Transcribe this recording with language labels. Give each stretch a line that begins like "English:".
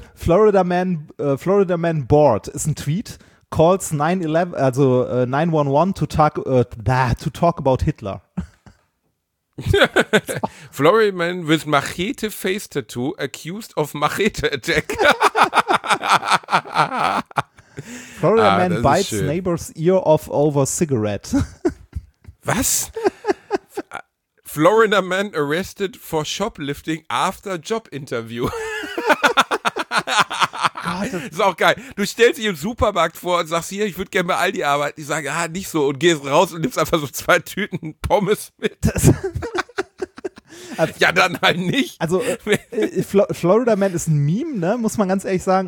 German: Warte, Florida Man Bored ist ein Tweet.
English: Calls 911, also 911 to talk about Hitler. Florida Man with Machete Face Tattoo accused of Machete Attack. Florida Man bites neighbor's ear off over cigarette.
German: Was?
English: Florida Man arrested for shoplifting after job interview.
German: Das ist auch geil. Du stellst dich im Supermarkt vor und sagst, hier, ich würde gerne bei Aldi arbeiten. Die sagen, ah, nicht so. Und gehst raus und nimmst einfach so zwei Tüten Pommes mit. Ja, dann halt nicht. Also, Florida Man ist ein Meme, ne? Muss man ganz ehrlich sagen.